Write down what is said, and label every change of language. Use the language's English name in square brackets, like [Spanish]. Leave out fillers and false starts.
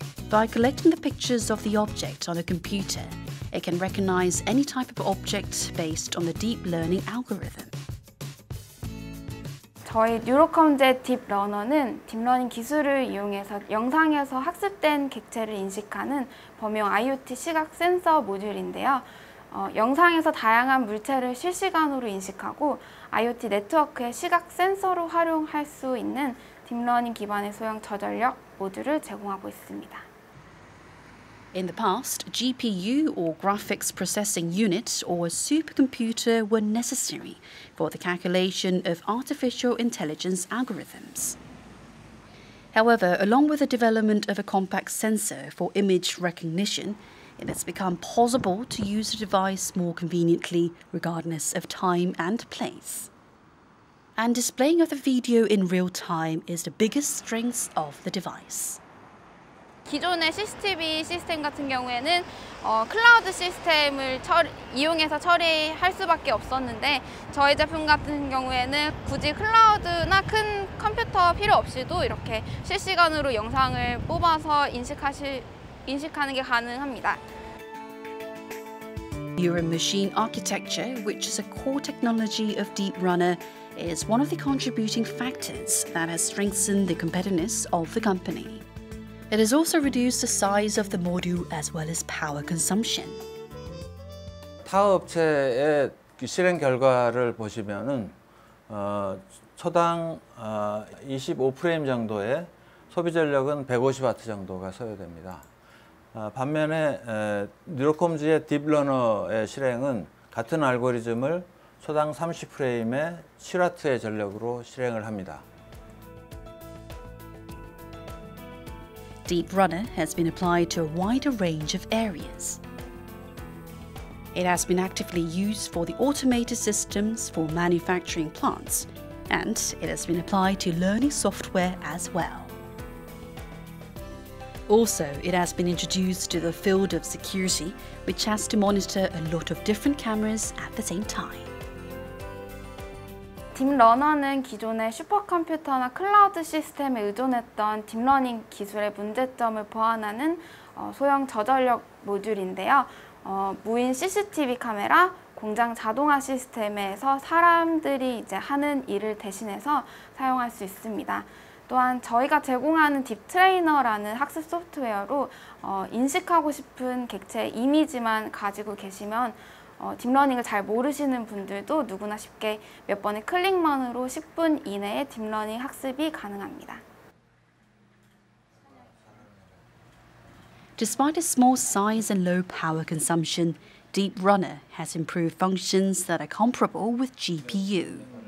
[English] By collecting the pictures of the object on a computer, it can recognize any type of object based on the deep learning algorithm. [Korean] 저희 뉴로컴제 딥러너는 딥러닝 기술을 이용해서 영상에서 학습된 객체를 인식하는 범용 IoT 시각 센서 모듈인데요. 영상에서 다양한 물체를 실시간으로 인식하고 IoT 네트워크의 시각 센서로 활용할 수 있는 딥러닝 기반의 소형 저전력 모듈을 제공하고 있습니다. [English] In the past, GPU or graphics processing units or a supercomputer were necessary for the calculation of artificial intelligence algorithms. However, along with the development of a compact sensor for image recognition, it has become possible to use the device more conveniently regardless of time and place. And displaying of the video in real time is the biggest strength of the device. [Korean] 기존의 CCTV 시스템 같은 경우에는 클라우드 시스템을 이용해서 처리할 수밖에 없었는데 저희 제품 같은 경우에는 굳이 클라우드나 큰 컴퓨터 필요 없이도 이렇게 실시간으로 영상을 뽑아서 인식하는 게 가능합니다. [English] Neural machine architecture, which is a core technology of DeepRunner, is one of the contributing factors that has strengthened the competitiveness of the company. It has also reduced the size of the module as well as power consumption. [Korean] 타 업체의 실행 결과를 보시면은 초당 25프레임 정도의 소비 전력은 150와트 정도가 소요됩니다. 반면에 뉴로컴즈의 딥러너의 실행은 같은 알고리즘을 초당 30프레임에 7와트의 전력으로 실행을 합니다. [English] DeepRunner has been applied to a wider range of areas. It has been actively used for the automated systems for manufacturing plants, and it has been applied to learning software as well. Also, it has been introduced to the field of security, which has to monitor a lot of different cameras at the same time. [Korean] 딥러너는 기존의 슈퍼컴퓨터나 클라우드 시스템에 의존했던 딥러닝 기술의 문제점을 보완하는 소형 저전력 모듈인데요. 무인 CCTV 카메라, 공장 자동화 시스템에서 사람들이 이제 하는 일을 대신해서 사용할 수 있습니다. 또한 저희가 제공하는 딥트레이너라는 학습 소프트웨어로 인식하고 싶은 객체 이미지만 가지고 계시면 딥러닝을 잘 모르시는 분들도 누구나 쉽게 몇 번의 클릭만으로 10분 이내에 딥러닝 학습이 가능합니다. [English] Despite its small size and low power consumption, DeepRunner has improved functions that are comparable with GPU.